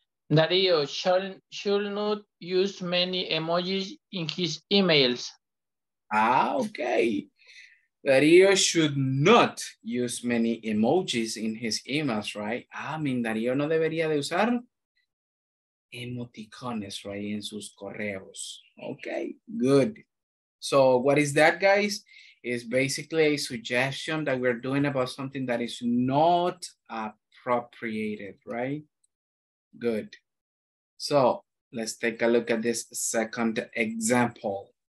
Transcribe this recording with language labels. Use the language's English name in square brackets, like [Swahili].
[English] Darío should not use many emojis in his emails. Ah, okay. Darío should not use many emojis in his emails, right? [Spanish] Ah, [English] I mean, [Spanish] Darío no debería de usar emoticones, right, en sus correos. [English] Okay, good. So what is that, guys? Is basically a suggestion that we're doing about something that is not appropriated, right? Good. So let's take a look at this second example.